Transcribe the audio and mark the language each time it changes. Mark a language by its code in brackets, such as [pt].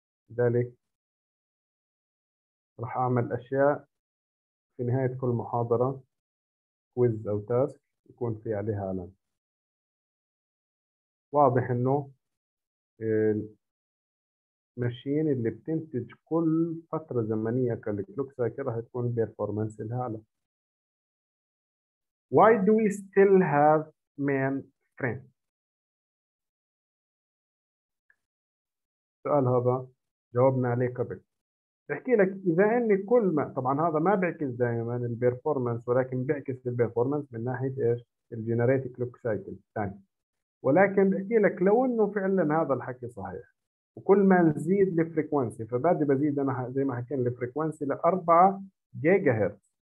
[ar] لذلك راح اعمل اشياء في نهاية كل محاضرة كويز او تاسك يكون في عليها علامة. واضح انه الماشين اللي بتنتج كل فترة زمنية كالكلوك سايكل راح تكون بيرفورمانس لها اعلى. [en] Why do we still have mainframe؟ [ar] السؤال هذا جاوبنا عليه قبل. بحكي لك اذا اني كل ما طبعا هذا ما بيعكس دائما البيرفورمانس ولكن بيعكس البيرفورمانس من ناحيه ايش؟ الجنريت كلوك سايكل ثاني. ولكن بحكي لك لو انه فعلا هذا الحكي صحيح وكل ما نزيد الفريكونسي فبدي بزيد انا زي ما حكينا الفريكونسي ل 4 جيجا هرتز.